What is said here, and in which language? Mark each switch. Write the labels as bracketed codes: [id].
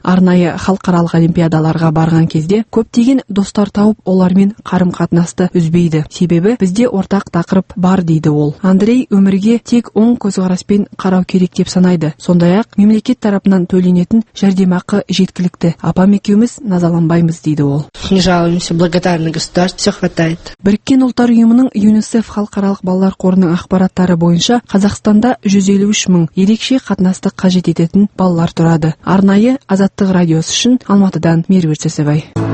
[kk] Арнайы халықаралық олимпиадаларға барған кезде көп деген достар тауып, олармен қарым-қатынасты үзбейді. Себебі бізде ортақ тақырып бар, дейді ол. Андрей өмірге тек оң көзқараспен қарау керек деп санайды. Сондай-ақ мемлекет тарапынан төленетін жәрдемақы жеткілікті. Апам екеуміз назаланбаймыз, дейді ол. [ru] Не жалуемся, благодарны государству, все хватает. [kk] Біріккен ұлттар ұйымының ЮНИСЕФ халықаралық балалар қорының ақпараттары бойынша Қазақстанда 153 мың ерекше қатынасты қажет ететін балалар тұрады. Арнайы Азаттық радиосы үшін Алматыдан Меруерт Сәсібай.